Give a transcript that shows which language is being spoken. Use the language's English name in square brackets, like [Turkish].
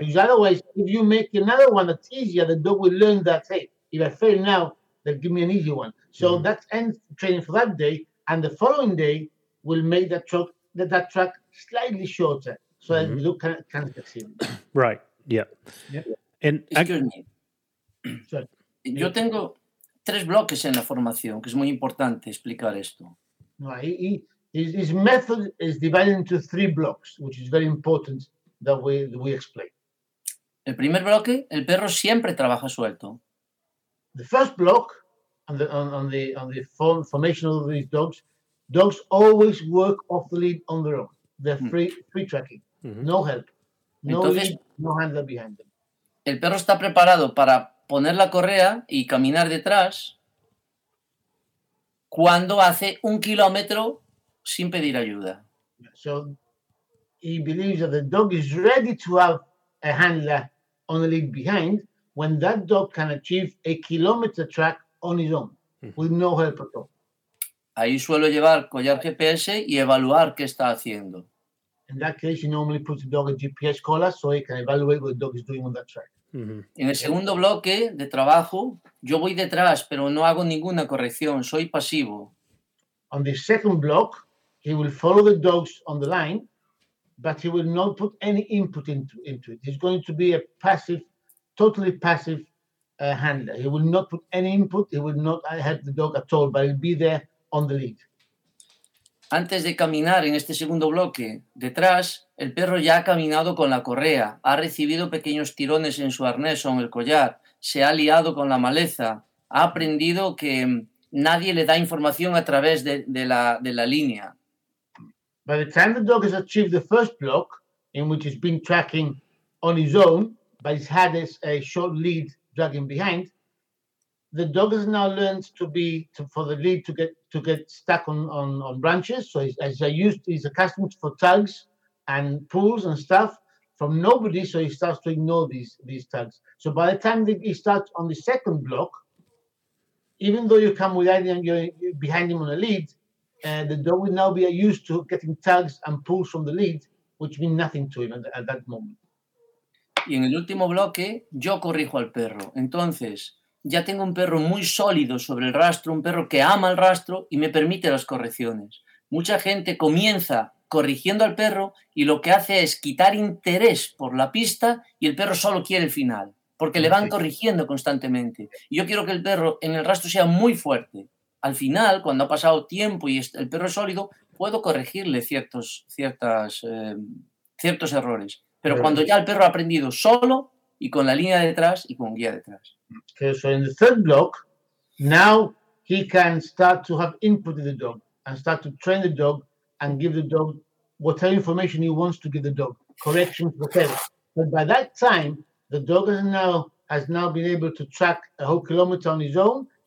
[English] Because otherwise, if you make another one that's easier, the dog will learn that, hey, if I fail now, they'll give me an easy one. So that ends training for that day, and the following day will make that truck that track slightly shorter, so that the dog can succeed. Right. Yeah. And excuse me. [Spanish] Yo tengo tres bloques en la formación, que es muy importante explicar esto. [English] His method is divided into three blocks, which is very important that we explain. [Spanish] El primer bloque, el perro siempre trabaja suelto. [English] The first block on the formation of these dogs, dogs always work off the lead on their own. They're free tracking. Mm-hmm. No help. No entonces, lead, no handler behind them. [Spanish] El perro está preparado para poner la correa y caminar detrás cuando hace un kilómetro sin pedir ayuda. [English] So he believes that the dog is ready to have a handler on the lead behind when that dog can achieve a kilometer track on his own with no help at all. [Spanish] Ahí suelo llevar collar GPS y evaluar qué está haciendo. [English] In that case, you normally put the dog a GPS collar so he can evaluate what the dog is doing on that track. [Spanish] En el segundo bloque de trabajo, yo voy detrás, pero no hago ninguna corrección. Soy pasivo. [English] On the second block, he will follow the dogs on the line, but he will not put any input into it. He's going to be a passive, totally passive handler. He will not put any input. He will not help the dog at all, but he'll be there on the lead. [Spanish] Antes de caminar en este segundo bloque, detrás, el perro ya ha caminado con la correa, ha recibido pequeños tirones en su arnés o en el collar, se ha liado con la maleza, ha aprendido que nadie le da información a través de la línea. [English] By the time the dog has achieved the first block, in which he's been tracking on his own, but he's had a short lead dragging behind, the dog has now learned to get stuck on branches. So he's accustomed for tugs and pulls and stuff from nobody. So he starts to ignore these tugs. So by the time he starts on the second block, even though you come behind him on a lead, the dog will now be used to getting tugs and pulls from the lead, which mean nothing to him at that moment. [Spanish] Y en el último bloque, yo corrijo al perro. Entonces, ya tengo un perro muy sólido sobre el rastro, un perro que ama el rastro y me permite las correcciones. Mucha gente comienza corrigiendo al perro y lo que hace es quitar interés por la pista y el perro solo quiere el final, porque le van corrigiendo constantemente. Y yo quiero que el perro en el rastro sea muy fuerte. Al final, cuando ha pasado tiempo y el perro es sólido, puedo corregirle ciertos errores. Pero cuando ya el perro ha aprendido solo y con la línea detrás y con guía detrás. [English] Okay, so in the third block, now he can start to have input in the dog and start to train the dog and give the dog whatever information he wants to give the dog, corrections, whatever. But by that time, the dog has now been able to track a whole kilometer on his own.